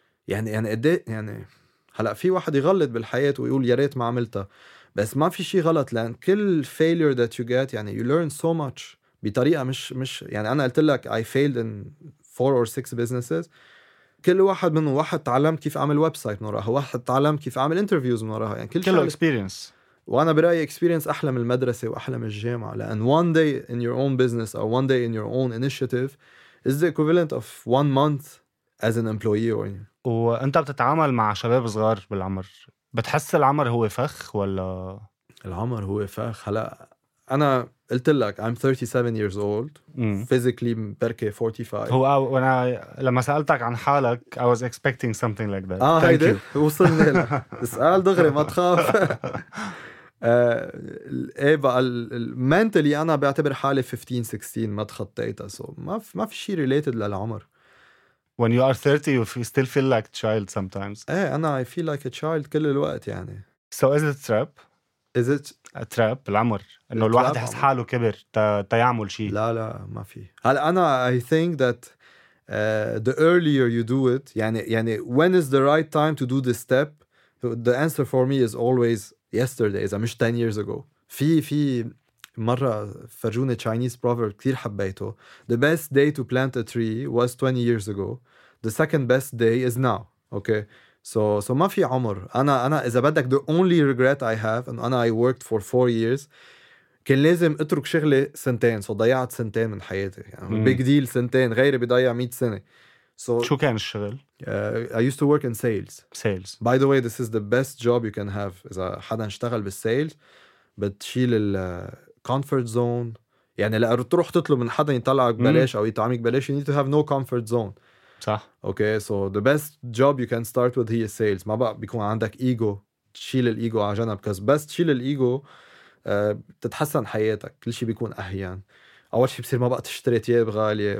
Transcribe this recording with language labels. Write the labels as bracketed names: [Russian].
[Arabic] يعني قد يعني هلا في واحد يغلط بالحياة ويقول يا ريت ما عملتها بس ما في شيء غلط لأن كل [English] failure that you get [Arabic] يعني [English] you learn so much [Arabic] بطريقة مش يعني أنا قلت لك [English] I failed in 4 or 6 businesses. [Arabic] كل واحد منه واحد تعلم كيف أعمل website من وراها واحد تعلم كيف أعمل interviews من وراها يعني كل [English] experience. [Arabic] وأنا برأيي [English] experience [Arabic] أحلى من المدرسة وأحلى من الجامعة لأن [English] one day in your own business or one day in your own initiative is the equivalent of one month as an employee. [Arabic] وانت بتتعامل مع شباب صغار بالعمر بتحس العمر هو فخ ولا؟ العمر هو فخ. هلا أنا قلت لك [English] I'm 37 years old physically [Arabic] بركي 45. هو وأنا لما سألتك عن حالك [English] I was expecting something like that. [Arabic] آه هيدا وصلنا هلا. اسأل دغري ما تخاف. إيه بقى المنتلي أنا بعتبر حالي 15 16 ما تخطيتها. so ما في شيء related للعمر. [English] When you are 30 you still feel like a child sometimes. [Arabic] إيه أنا [English] I feel like a child [Arabic] كل الوقت يعني. [English] So is it a trap? Is it a trap [Arabic] العمر إنه الواحد يحس حاله كبر تيعمل شيء؟ لا لا ما في. هلا أنا [English] I think that the earlier you do it يعني when is the right time to do this step, the answer for me is always yesterday, [Arabic] إذا مش [English] 10 years ago. [Arabic] في مرة فرجوني [English] Chinese proverb [Arabic] كتير حبيته. [English] The best day to plant a tree was 20 years ago. The second best day is now. Okay. So [Arabic] ما في عمر. أنا إذا بدك [English] the only regret I have and أنا I worked for 4 years, [Arabic] كان لازم أترك شغلي سنتين. So ضيعت سنتين من حياتي. يعني [English] big deal [Arabic] سنتين. غيري بضيع 100 سنة. So شو كان الشغل؟ [English] I used to work in sales. Sales. By the way, this is the best job you can have. [Arabic] إذا حدا اشتغل بالسيلز بتشيل ال comfort zone. يعني لا تروح تطلب من حدا يطلعك بلاش أو يطعمك بلاش. [English] You need to have no comfort zone. [Arabic] صح. [English] Okay. So the best job you can start with here is sales. [Arabic] ما بقى بيكون عندك ego. تشيل الإيجو على جنب. [English] Because [Arabic] بس تشيل الإيجو تتحسن حياتك. كل شيء بيكون أهيان. أول شيء بصير ما بقى تشتري تياب غالية.